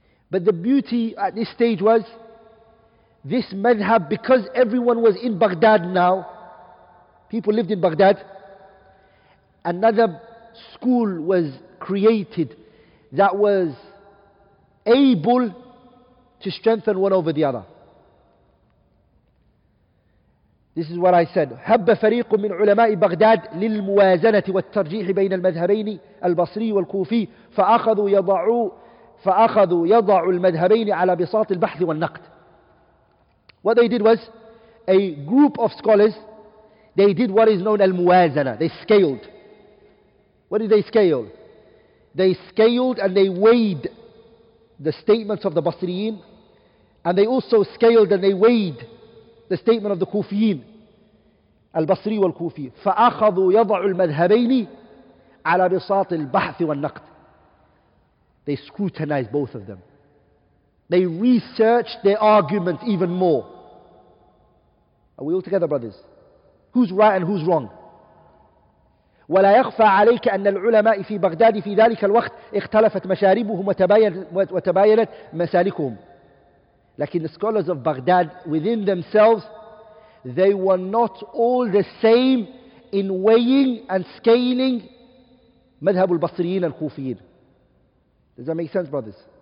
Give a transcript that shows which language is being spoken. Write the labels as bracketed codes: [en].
[en] But the beauty at this stage was, this madhab, because everyone was in Baghdad now, people lived in Baghdad, another school was created that was able to strengthen one over the other. This is what I said. [ar] هب فريق من علماء بغداد للموازنة والترجيح بين المذهبين البصري والكوفي فأخذوا يضع المذهبين على بساط البحث والنقد. [en] What they did was, a group of scholars, they did what is known الموازنة. They scaled. What did they scale? They scaled and they weighed the statements of the Basriyin, and they also scaled and they weighed the statement of the Kufiyin. [ar] البصري والكوفي فأخذوا يضع المذهبين على بساط البحث والنقد. [en] They scrutinized both of them. They researched their arguments even more. Are we all together, brothers? Who's right and who's wrong? [ar] ولا يخفى عليك أن العلماء في بغداد في ذلك الوقت اختلفت مشاربهم وتباينت مسالكهم. [en] لكن the scholars of Baghdad within themselves, they were not all the same in weighing and scaling madhab al-basriyin al-kufiyin. Does that make sense, brothers?